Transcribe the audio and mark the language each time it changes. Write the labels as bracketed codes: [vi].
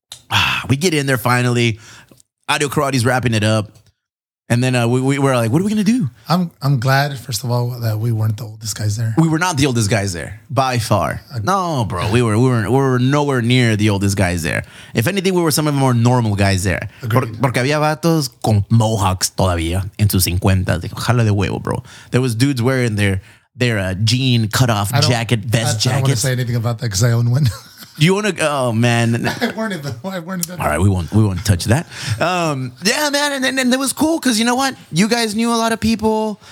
[en] Ah, we get in there finally. Audio Karate's wrapping it up. And then we were like, what are we going to do? I'm glad, first of all, that we weren't the oldest guys there. We were not the oldest guys there, by far. No, bro. We were nowhere near the oldest guys there. If anything, we were some of the more normal guys there. [es] Porque había vatos con mohawks todavía en sus cincuentas. Jala de huevo, bro. [en] There was dudes wearing their jean cutoff jacket, vest jacket. I don't want to say anything about that because I own one. Do you want to? Oh man! I weren't. All right, we won't touch that. Yeah, man, and it was cool because you know what? You guys knew a lot of people.